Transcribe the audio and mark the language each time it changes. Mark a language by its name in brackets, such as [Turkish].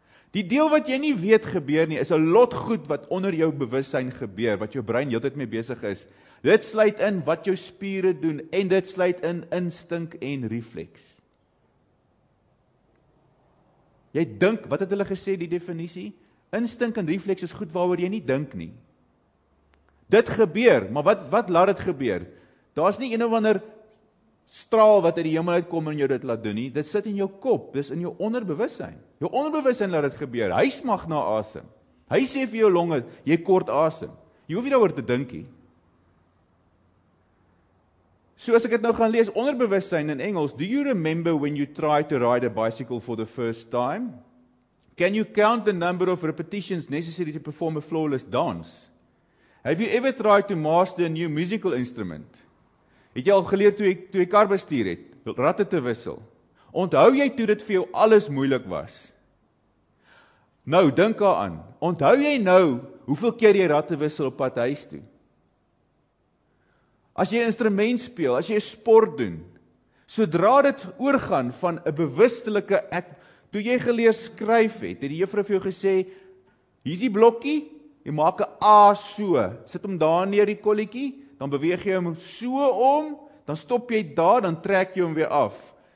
[Afrikaans] Die deel wat jy nie weet gebeur nie, is 'n lot goed wat onder jou bewussyn gebeur, wat jou brein heeltyd mee besig is. Dit sluit in wat jou spiere doen, en dit sluit in instink en refleks. Jy dink, wat het hulle gesê die definisie? Instink en refleks is goed waaroor jy nie dink nie. Dit gebeur, maar wat laat dit gebeur? Daar is nie een of ander straal wat uit die hemel uitkom en jou dit laat doen nie. Dit sit in jou kop, dis in jou onderbewussyn. Jou onderbewussyn laat dit gebeur. Hy smag na asem. Hy sê vir jou longe, jy kort asem. Jy hoef nie daaroor te dink nie. So as ek dit nou gaan lees, onderbewussyn in Engels, [English] do you remember when you tried to ride a bicycle for the first time? Can you count the number of repetitions necessary to perform a flawless dance? Have you ever tried to master a new musical instrument? [Afrikaans] Het jy al geleer toe jy kar bestuur het, ratte te wissel? Onthou jy toe dit vir jou alles moeilik was? Nou, dink daaraan. Onthou jy nou hoeveel keer jy ratte wissel op pad huis toe? As jy instrument speel, as jy sport doen, sodra dit oorgaan van 'n bewustelike ek, toe jy geleer skryf het, het die juffrou vir jou gesê, hier is die blokkie, jy maak 'n A so, sit hom daar neer die kolletjie, dan beweeg jy hom so om, dan stop jy daar, dan trek jy hom weer af.